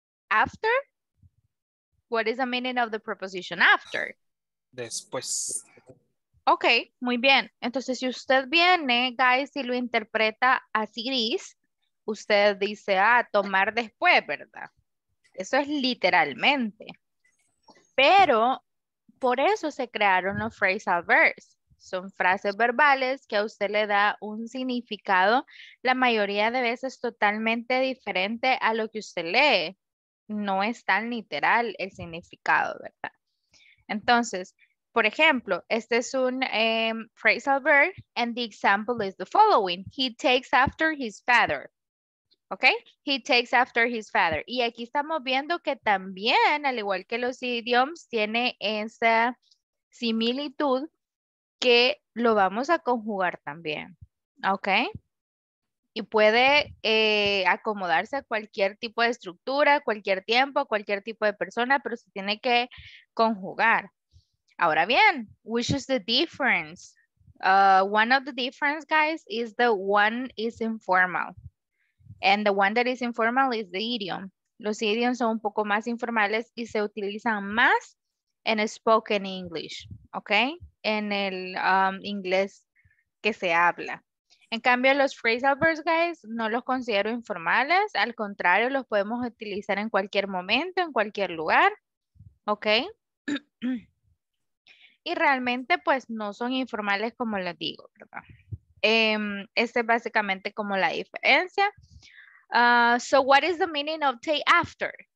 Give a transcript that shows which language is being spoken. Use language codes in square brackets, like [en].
[en] After, what is the meaning of the preposition after? [es] Después. Ok, muy bien. Entonces, si usted viene, guys, y lo interpreta así gris, usted dice, tomar después, ¿verdad? Eso es literalmente. Pero por eso se crearon los phrasal verbs. Son frases verbales que a usted le da un significado la mayoría de veces totalmente diferente a lo que usted lee. No es tan literal el significado, ¿verdad? Entonces, por ejemplo, este es un phrasal verb [en] and the example is the following. He takes after his father. ¿Ok? He takes after his father. [es] Y aquí estamos viendo que también, al igual que los idioms, tiene esa similitud que lo vamos a conjugar también. ¿Ok? Y puede acomodarse a cualquier tipo de estructura, cualquier tiempo, cualquier tipo de persona, pero se tiene que conjugar. Ahora bien, [en] which is the difference? One of the difference, guys, is the one is informal. And the one that is informal is the idiom. [es] Los idioms son un poco más informales y se utilizan más en spoken English, ¿ok? En el inglés que se habla. En cambio, los phrasal verbs, guys, no los considero informales. Al contrario, los podemos utilizar en cualquier momento, en cualquier lugar, ¿ok? Y realmente, pues, no son informales como les digo, ¿verdad? Esta es básicamente como la diferencia. [en] So what is the meaning of take after?